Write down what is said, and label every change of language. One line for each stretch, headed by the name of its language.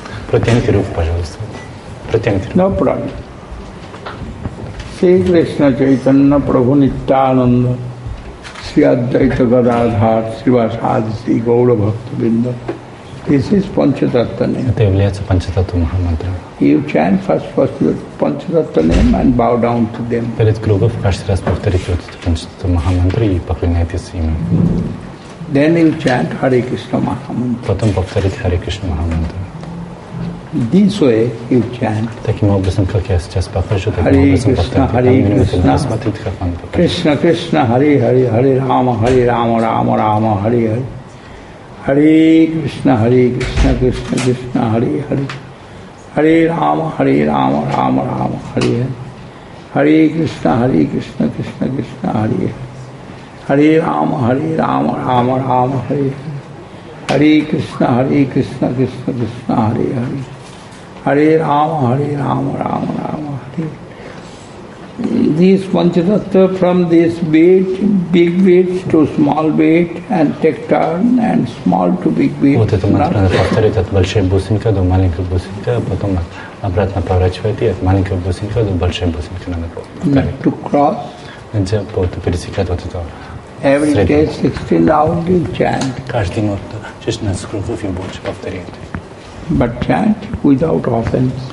Russian: Протяните руку, пожалуйста. Протяните руку.
English: No problem. Shri Krishna Chaitanya Prabhu Nityananda Shri Advaita Gadadhar Srivasadhi Gaura Bhakta Vrinda. This is Panchatattva name.
Russian: Это является Панчататтва Махамантра.
English: You chant first Panchatattva name and bow down to them.
Russian: Перед кругом каждый раз повторите вот это Панчататтва Махамантра и поклоняйтесь им.
English: Then you chant Hare Krishna Mahamantra.
Russian: Потом повторите Hare Krishna Mahamantra.
English: This way you chant.
Russian: Таким образом, как я сейчас покажу, таким
Sanskrit: Hare
Russian: образом повторите.
Sanskrit: Кришна, Кришна, Хари, Хари, Хари Рама, Хари Рама, Рама Рама, Хари Хари. Хари Кришна, Хари Кришна, Кришна Кришна, Хари Хари. Хари Рама, Хари Рама, Рама Рама, Хари Хари. Хари Кришна, Хари Кришна, Кришна Кришна, Хари Хари. Hare Rama, Hare Rama, Rama Rama, Hare Hare Krishna, Hare Krishna, Krishna Krishna, Hare Hare. Hare Rama, Hare Rama, Rama Rama, Hare.
English: These Panchatattva from this weight, big weight to small weight, and take turn and small to big weight.
Russian: Обратно поворачивайте от маленького бусинка до большой бусинки на ногу. Вот, пересекать вот это.
English: Every day 16 rounds you chant.
Russian: Каждый минут 16 кругов и больше повторяйте.
English: But chant without offense.